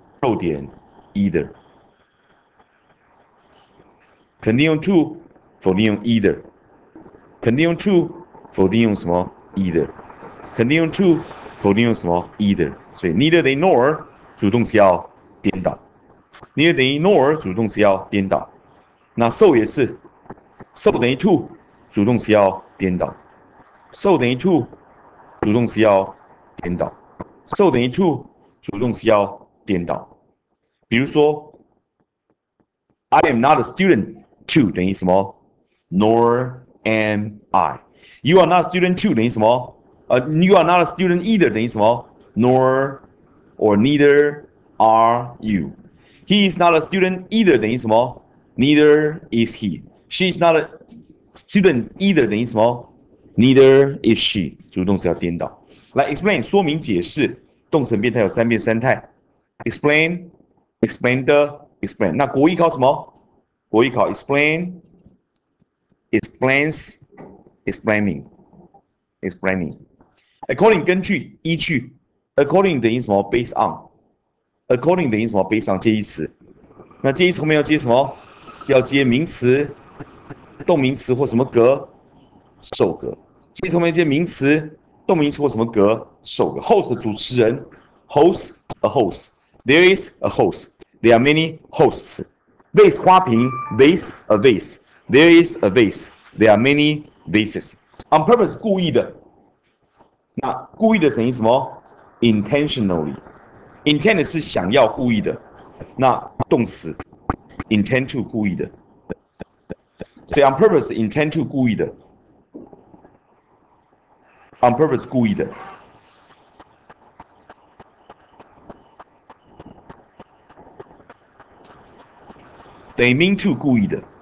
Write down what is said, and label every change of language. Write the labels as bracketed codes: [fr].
[zh] 逗点 either，肯定用 to，否定用 either，肯定用 to，否定用什么 either，肯定用 to，否定用什么 either，所以 neither 等于 nor 主动词要颠倒，neither 等于 nor 主动词要颠倒，那 so 也是，so 等于 to 主动词要颠倒，so 等于 to。主动词要颠倒，so 等于 to，主动词要颠倒。比如说， [en] I am not a student too [zh] 等于什么？ [en] Nor am I。 You are not a student too [zh] 等于什么？ [en] You are not a student either 等于什么？Nor or neither are you。 He is not a student either [zh] 等于什么？ [en] Neither is he。 She is not a student either [zh] 等于什么？ [en] Neither is she， [zh] 主动词要颠倒。来，explain 说明解释，动词变态有三变三态。 Explain。 那国一考什么？国一考 explaining。 According 根据依据，according 等于什么？Based on，according 等于什么？Based on 介系词。那介系词后面要接什么？要接名词、动名词或什么格？受格。接后面接名词、动名词或什么格，首个 host 主持人，host a host， [en] there is a host，there are many hosts。 vase 花瓶，vase a vase，there is a vase，there are many vases。 [zh] on purpose 故意的，那故意的等于什么？intentionally，intent 是想要故意的，那动词 intend to 故意的，所以 on purpose intend to 故意的。 On purpose 故意的。 [en] They mean to [zh] 故意的。